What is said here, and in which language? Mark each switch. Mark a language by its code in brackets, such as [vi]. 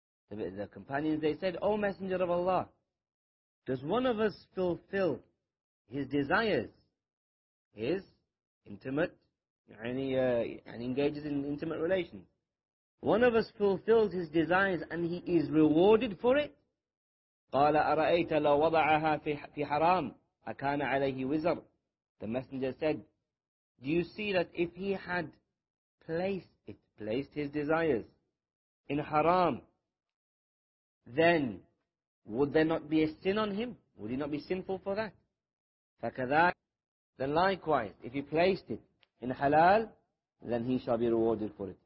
[en] The companions, they said, O Messenger of Allah, does one of us fulfill his desires, his intimate, and engages in intimate relations, one of us fulfills his desires and he is rewarded for it? [ar] قال أرأيت لو وضعها في حرام أكان عليه وزر. [en] The Messenger said, do you see that if he had placed his desires in haram, then would there not be a sin on him? Would he not be sinful for that? [ar] فكذلك. [en] Then likewise, if he placed it in halal, then he shall be rewarded for it.